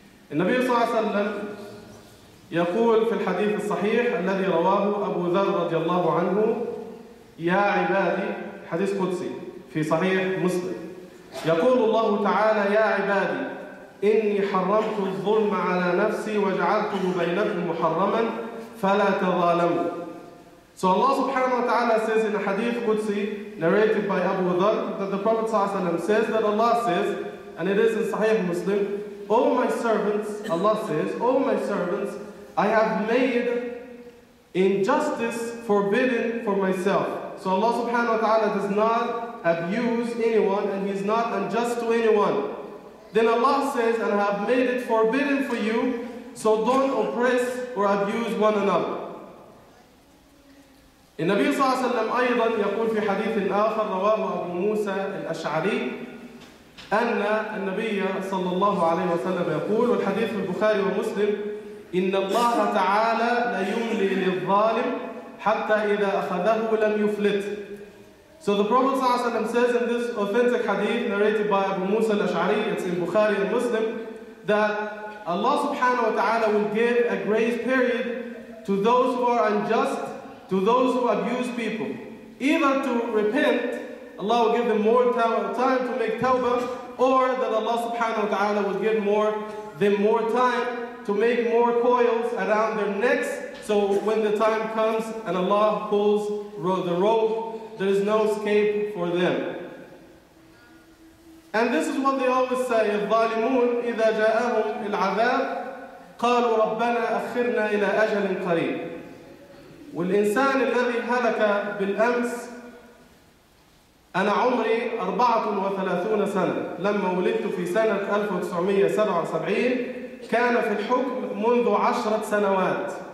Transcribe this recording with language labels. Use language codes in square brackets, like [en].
[ar] And Nabi sallallahu alayhi wa sallam يقول في الحديث الصحيح الذي رواه أبو ذر رضي الله عنه يا عبادي، حديث قدسي في صحيح مسلم، يقول الله تعالى يا عبادي إني حرمت الظلم على نفسي وجعلته بينكم محرما فلا تظالموا. [en] So Allah subhanahu wa ta'ala says in a hadith Qudsi narrated by Abu Dharr that the Prophet sallallahu alayhi wa sallam says that Allah says, and it is in Sahih Muslim, oh my servants, Allah says, oh my servants, I have made injustice forbidden for myself. So Allah subhanahu wa ta'ala does not abuse anyone and He's not unjust to anyone. Then Allah says, and I have made it forbidden for you, so don't oppress or abuse one another. [ar] In Nabi sallallahu alayhi wa sallam أيضاً يقول في حديث آخر رواه أبو موسى الأشعري أن النبي صلى الله عليه وسلم يقول والحديث في البخاري ومسلم إن الله تعالى لا يملي للظالم حتى إذا أخذه لم يفلت. [en] So the Prophet ﷺ says in this authentic hadith narrated by Abu Musa al-Ash'ari, it's in Bukhari and Muslim, that Allah subhanahu wa ta'ala will give a grace period to those who are unjust, to those who abuse people. Either to repent, Allah will give them more time to make tawbah, or that Allah subhanahu wa ta'ala will give them more time to make more coils around their necks, so when the time comes and Allah pulls the rope, there is no escape for them. And this is what they always say, [ar] الظالمون إذا جاءهم العذاب قالوا ربنا أخرنا إلى أجل قريب. والإنسان الذي هلك بالأمس أنا عمري 34 سنة، لما ولدت في سنة 1977 كان في الحكم منذ 10 سنوات.